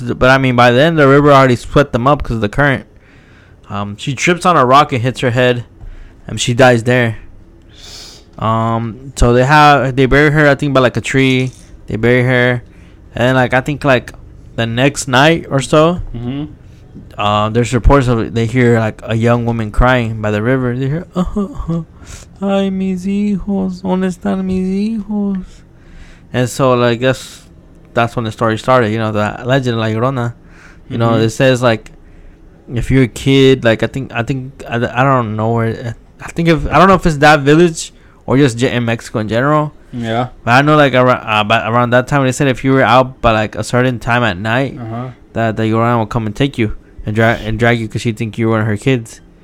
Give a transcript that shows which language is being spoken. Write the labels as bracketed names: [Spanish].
[English] But I mean, by then, the river already swept them up because of the current. She trips on a rock and hits her head. And she dies there. So they bury her, I think, by like a tree. They bury her. And then, like, I think like the next night or so, there's reports of they hear like a young woman crying by the river. They hear, [Spanish] ay, mis hijos, ¿dónde están mis hijos? [English] And so, like, that's when the story started, you know, the legend of La Llorona. You know, it says, like, if you're a kid, like, I don't know if it's that village or just in Mexico in general. Yeah. But I know, like, around that time, they said if you were out by, like, a certain time at night, that the Llorona would come and take you and drag you because she'd think you were one of her kids.